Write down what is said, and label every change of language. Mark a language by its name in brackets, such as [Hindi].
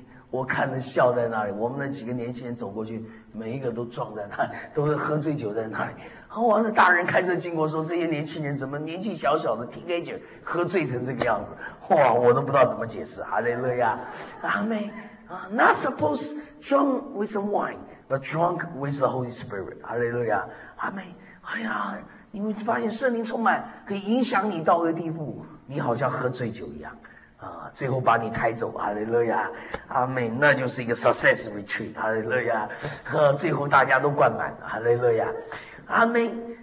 [Chinese] 我看着笑在那里，我们那几个年轻人走过去，每一个都撞在那里，都是喝醉酒在那里，哇，那大人开车经过说，这些年轻人怎么年纪小小的 teenager 喝醉成这个样子，哇，我都不知道怎么解释，哈利路亚，阿们。 [English] Not supposed drunk with some wine but drunk with the Holy Spirit， [Chinese] 哈利路亚，阿们。哎呀，你们发现圣灵充满可以影响你到一个地步，你好像喝醉酒一样啊，最后把你开走，哈利路亚，阿们。那就是一个 [English] success retreat， [Chinese] 哈利路亚，最后大家都灌满，哈利路亚，阿们。